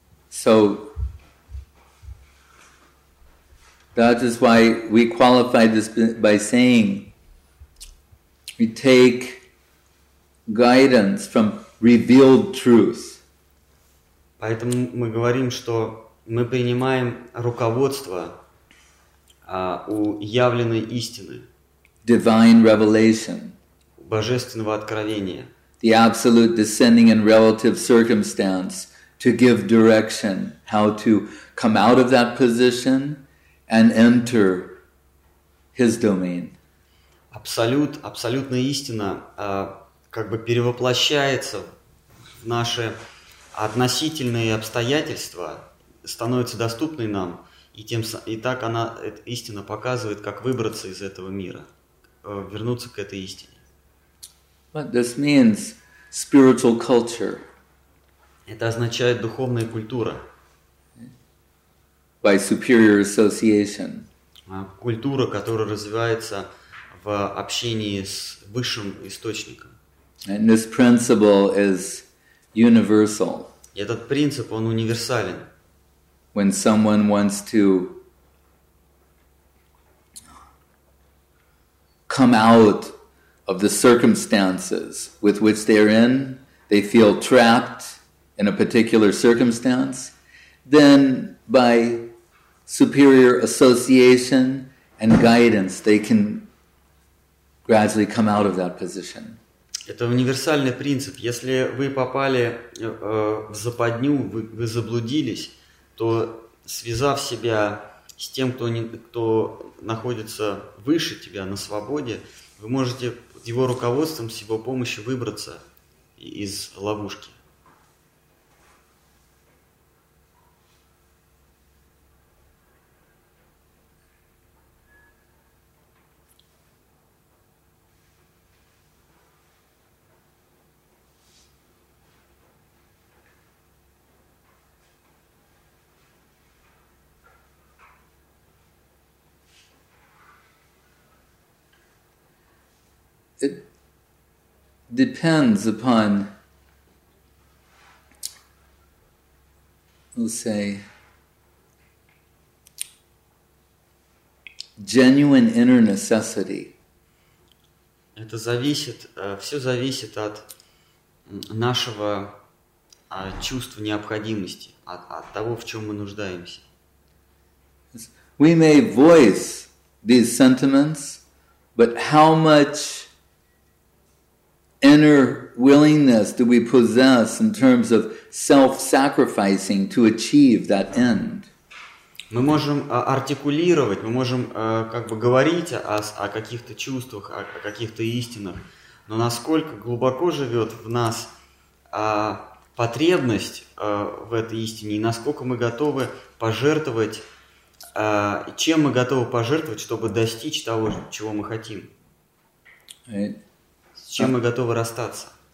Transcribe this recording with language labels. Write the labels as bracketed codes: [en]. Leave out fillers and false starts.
[en] So that is why we qualify this by saying we take guidance from revealed truth. [ru] Поэтому мы говорим, что мы принимаем руководство у явленной истины. [en] Divine revelation. [ru] Божественного откровения. [en] The absolute descending and relative circumstance to give direction how to come out of that position and enter his domain. [ru] Абсолютная истина как бы перевоплощается в наши относительные обстоятельства, становится доступной нам, и так она, эта истина показывает, как выбраться из этого мира, вернуться к этой истине. [en] But this means spiritual culture. [ru] Это означает духовная культура. [en] By superior association. [ru] Культура, которая развивается в общении с высшим источником. [en] And this principle is universal. [ru] И этот принцип, он универсален. [en] When someone wants to come out of the circumstances with which they're in, they feel trapped in a particular circumstance, then by superior association and guidance, they can gradually come out of that position. [ru] Это универсальный принцип. Если вы попали в западню, вы заблудились, то связав себя с тем, кто находится выше тебя, на свободе, вы можете под его руководством, с его помощью выбраться из ловушки. [en] It depends upon, we'll say, genuine inner necessity. [ru] Это зависит, все зависит от нашего чувства необходимости, от того, в чем мы нуждаемся. [en] We may voice these sentiments, but how much inner willingness do we possess in terms of self-sacrificing to achieve that end? [ru] Мы можем артикулировать, мы можем как бы говорить о каких-то чувствах, о каких-то истинах, но насколько глубоко живет в нас потребность в этой истине, и насколько мы готовы пожертвовать, чем мы готовы пожертвовать, чтобы достичь того, чего мы хотим, с чем мы готовы расстаться.